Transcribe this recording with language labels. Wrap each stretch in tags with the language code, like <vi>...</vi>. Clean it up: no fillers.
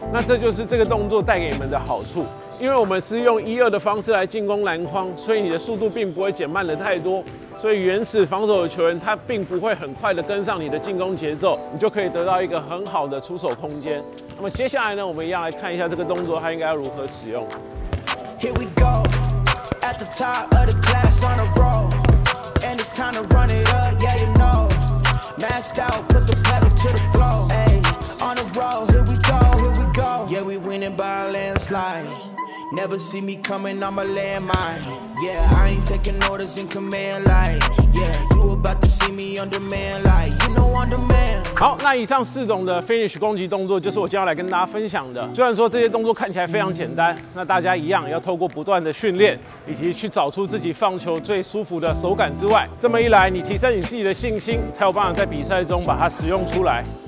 <zh>那这就是这个动作带给你们的好处。因为我们是用一二的方式来进攻篮筐，所以你的速度并不会减慢的太多，所以原始防守的球员他并不会很快的跟上你的进攻节奏，你就可以得到一个很好的出手空间。那么接下来呢，我们一样来看一下这个动作它应该要如何使用。</zh> <en>Here we go at the top of the class on a roll and it's time to run it up, yeah you know maxed out, put the pedal to the floor ay, on a roll, here we go winning by a landslide. Never see me coming, I'm a landmine. Yeah, I ain't taking orders in command line. Yeah, you about to see me on demand line. You know I'm the man.</en> <zh>好，那以上四种的 finish 攻击动作就是我接下来跟大家分享的。虽然说这些动作看起来非常简单，那大家一样要透过不断的训练以及去找出自己放球最舒服的手感之外，这么一来你提升你自己的信心，才有办法在比赛中把它使用出来。</zh>